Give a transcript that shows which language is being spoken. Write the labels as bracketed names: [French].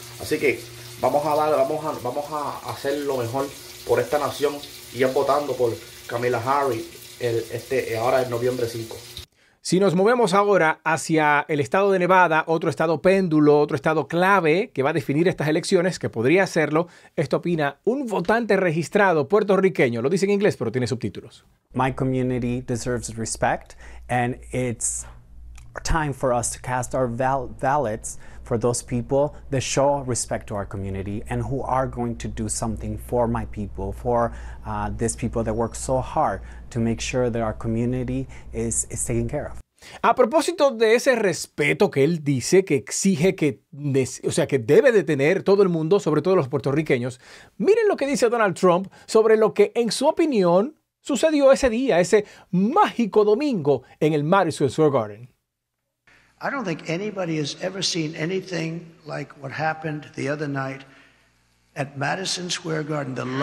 [Spanish] Así que vamos a hacer lo mejor por esta nación y es votando por Kamala Harris ahora en noviembre 5. Si nos movemos ahora hacia el estado de Nevada, otro estado péndulo, otro estado clave que va a definir estas elecciones, que podría hacerlo, esto opina un votante registrado puertorriqueño. Lo dice en inglés, pero tiene subtítulos. [English] My community deserves respect, and it's time for us to cast our ballots for those people that show respect to our community and who are going to do something for my people, for these people that work so hard to make sure that our community is taken care of. [Spanish] A propósito de ese respeto que él dice que exige, que debe de tener todo el mundo, sobre todo los puertorriqueños, miren lo que dice Donald Trump sobre lo que, en su opinión, sucedió ese día, ese mágico domingo en el Madison Square Garden. [English] I don't think anybody has ever seen anything like what happened the other night at Madison Square Garden.